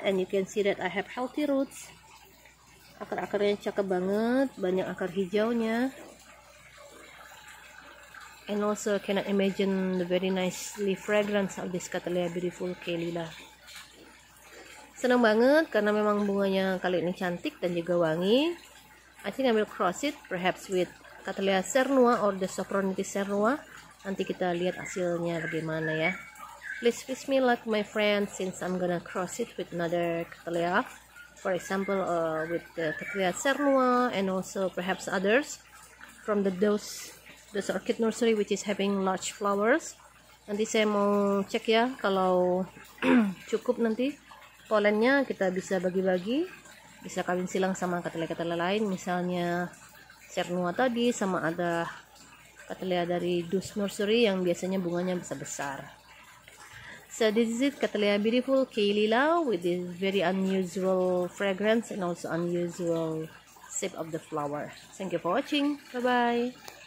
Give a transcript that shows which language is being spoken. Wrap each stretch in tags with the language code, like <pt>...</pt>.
<en>And you can see that I have healthy roots.</en> <id>Akar-akarnya cakep banget. Banyak akar hijaunya.</id> <en>And also cannot imagine the very nice leaf fragrance of this Cattleya Beautiful Kaylila.</en> <id>Senang banget karena memang bunganya kali ini cantik dan juga wangi.</id> <en>I think I will cross it perhaps with Cattleya Cernua or the Sophronitis Cernua.</en> <id>Nanti kita lihat hasilnya bagaimana ya.</id> <en>Please wish me luck my friend since I'm gonna cross it with another Cattleya. For example with the Cattleya Cernua and also perhaps others from this orchid nursery which is having large flowers.</en> <id>Nanti saya mau cek ya, kalau cukup nanti polennya kita bisa bagi-bagi, bisa kawin silang sama Cattleya-Cattleya lain, misalnya Cernua tadi sama ada Cattleya dari Dus nursery yang biasanya bunganya bisa besar.</id> <en>So this is it, Cattleya Beautiful Kaylila with this very unusual fragrance and also unusual shape of the flower. Thank you for watching, bye bye.</en>